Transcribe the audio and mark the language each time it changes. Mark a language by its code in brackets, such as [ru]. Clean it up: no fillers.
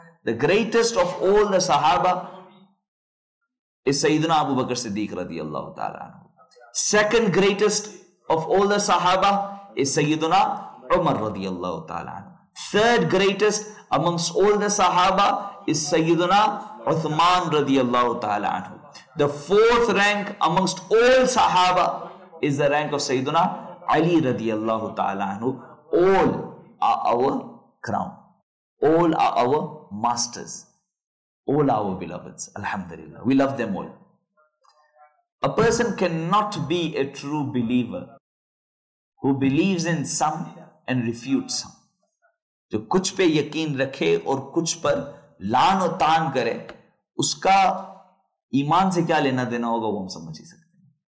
[en] The greatest of all the صحابہ is سیدنا Abu Bakr Siddiq رضی اللہ تعالیٰ عنہ. Second greatest of all the صحابہ is سیدنا عمر رضی اللہ تعالیٰ عنہ. Third greatest amongst all the صحابہ is سیدنا عثمان رضی اللہ تعالیٰ عنہ. The fourth rank amongst all صحابہ is the rank of سیدنا علی رضی اللہ تعالیٰ عنہ. All are our crown. All are our masters. All are our beloveds. Alhamdulillah. We love them all. A person cannot be a true believer who believes in some and refutes some. [ur] جو کچھ پہ یقین رکھے اور کچھ پر lawn و تان کرے اس کا ایمان سے کیا لینا دینا ہوگا وہ ہم سمجھ ہی سکتے ہیں.